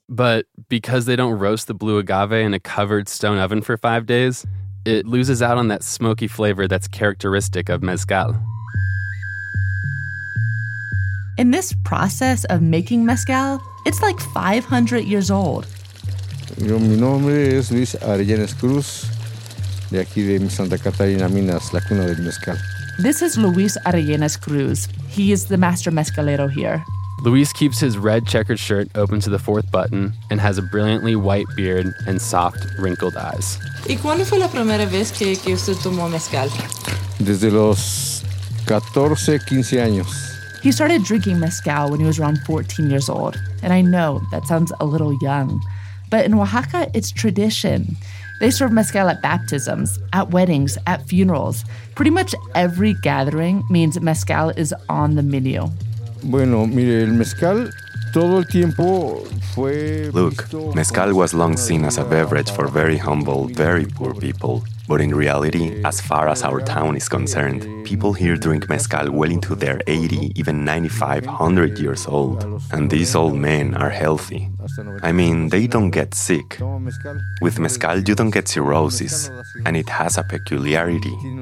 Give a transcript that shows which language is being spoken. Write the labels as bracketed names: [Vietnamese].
[English] But because they don't roast the blue agave in a covered stone oven for 5 days, it loses out on that smoky flavor that's characteristic of mezcal. In this process of making mezcal, it's like 500 years old. [Spanish] Mi nombre es Luis Arellanes Cruz, de aquí de Santa Catarina Minas, la cuna del mezcal. [English] This is Luis Arellanes Cruz. He is the master mezcalero here. Luis keeps his red checkered shirt open to the fourth button and has a brilliantly white beard and soft, wrinkled eyes. [Spanish] ¿Y cuándo fue la primera vez que usted tomó mezcal? Desde los 14, 15 años. [English] He started drinking mezcal when he was around 14 years old. And I know that sounds a little young, but in Oaxaca, it's tradition. They serve mezcal at baptisms, at weddings, at funerals. Pretty much every gathering means mezcal is on the menu. [Spanish] Bueno, mire, el mezcal todo el tiempo fue... [English] Look, mezcal was long seen as a beverage for very humble, very poor people. But in reality, as far as our town is concerned, people here drink mezcal well into their 80, even 95, 100 years old. And these old men are healthy. I mean, they don't get sick. With mezcal, you don't get cirrhosis. And it has a peculiarity.